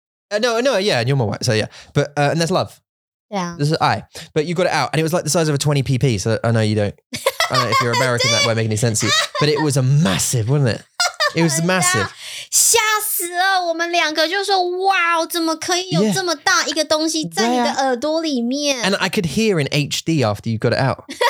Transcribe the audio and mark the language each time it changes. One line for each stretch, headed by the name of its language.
English: No, yeah, and you're my wife, so yeah. But, and there's love. Yeah. This is I. But you got it out, and it was like the size of a 20pp, so I know you don't, I don't know if you're American, that won't make any sense to you. But it was a massive, wasn't it? It was massive.
Chinese: 吓死了,我们两个就说, wow, 怎么可以有这么大一个东西在你的耳朵里面?
English: Yeah. And I could hear in HD after you got it out.